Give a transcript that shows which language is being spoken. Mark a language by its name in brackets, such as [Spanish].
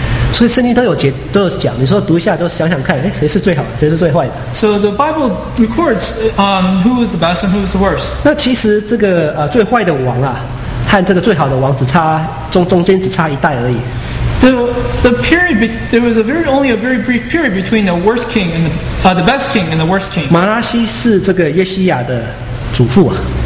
[Chinese] 所以圣经都有讲，你说读一下，都想想看，哎，谁是最好，谁是最坏的 [English] ？So the Bible records who is the best and who is the worst. [Chinese] 那其实这个最坏的王啊，和这个最好的王只差中间只差一代而已。 [English] The period there was a very brief period between the worst king and the best king and the worst king. [Chinese] 马拉西是这个约西亚的祖父啊。